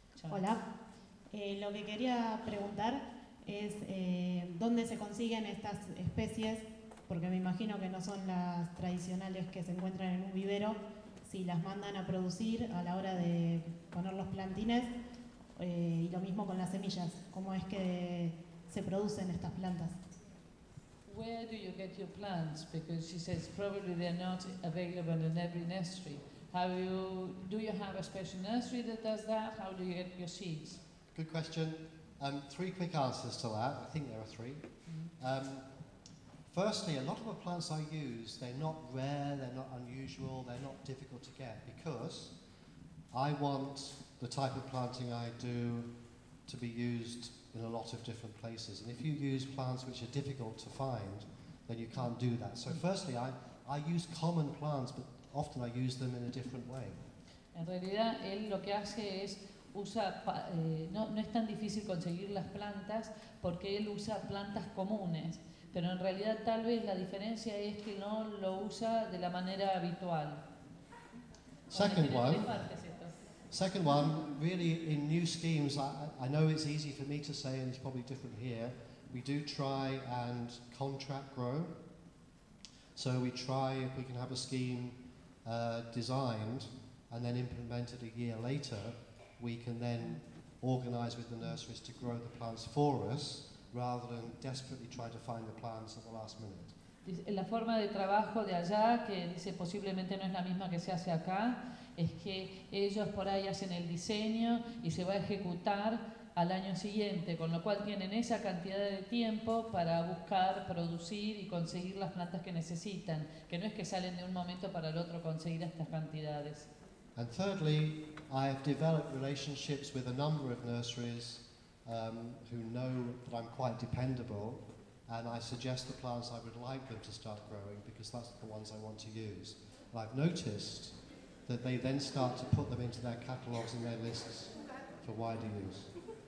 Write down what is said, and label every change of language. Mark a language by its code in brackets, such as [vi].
[es] Hola, lo que quería preguntar es dónde se consiguen estas especies, porque me imagino que no son las tradicionales que se encuentran en un vivero, si las mandan a producir a la hora de poner los plantines, y lo mismo con las semillas, ¿cómo es que se producen estas plantas? [en] Where do you get your plants? Because she says probably they're not available in every nursery. Do you have a special nursery that does that? How do you get your seeds? Good question. Three quick answers to that. I think there are three. Mm-hmm. Firstly, a lot of the plants I use, they're not rare, they're not unusual, they're not difficult to get, because I want the type of planting I do to be used in a lot of different places. And if you use plants which are difficult to find, then you can't do that. So firstly, I use common plants, but often I use them in a different way. [es] En realidad, él lo que hace es usa, no es tan difícil conseguir las plantas porque él usa plantas comunes. Pero en realidad, tal vez la diferencia es que no lo usa de la manera habitual. [en] Second one, really in new schemes, I know it's easy for me to say, and it's probably different here, we do try and contract grow. So we try if we can have a scheme designed and then implemented a year later, we can then organize with the nurseries to grow the plants for us, rather than desperately trying to find the plants at the last minute. [es] La forma de trabajo de allá, que dice posiblemente no es la misma que se hace acá, es que ellos por ahí hacen el diseño y se va a ejecutar al año siguiente, con lo cual tienen esa cantidad de tiempo para buscar, producir y conseguir las plantas que necesitan, que no es que salen de un momento para el otro conseguir estas cantidades. [en] And thirdly, I have developed relationships with a number of nurseries who know that I'm quite dependable, and I suggest the plants I would like them to start growing because that's the ones I want to use. And I've noticed that they then start to put them into their catalogs and their lists for wider use.